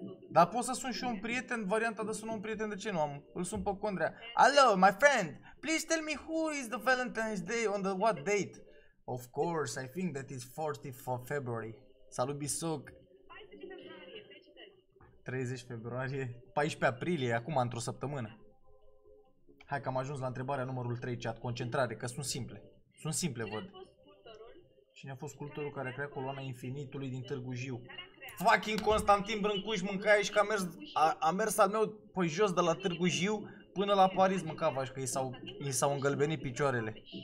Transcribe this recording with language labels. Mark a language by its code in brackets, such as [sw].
[ro] Dar pot să sun și un prieten, varianta de sună un prieten, de ce nu am? Îl sun pe Condrea. [en] Hello, my friend. Please tell me who is the Valentine's Day on the what date? Of course, I think that is 44 February. [ro] Salut, Bisoc. 14 februarie, 30 februarie, 14 aprilie, acum, într-o săptămână. Hai că am ajuns la întrebarea numărul 3, chat, concentrare, că sunt simple. Sunt simple, cine văd. Cine a fost sculptorul? Cine a fost sculptorul care a creat coloana infinitului din Târgu Jiu? Fucking Constantin Brâncuș, mâncai aici că a mers al meu pe jos de la Târgu Jiu până la Paris, mâncava vași, că i s-au îngălbenit picioarele.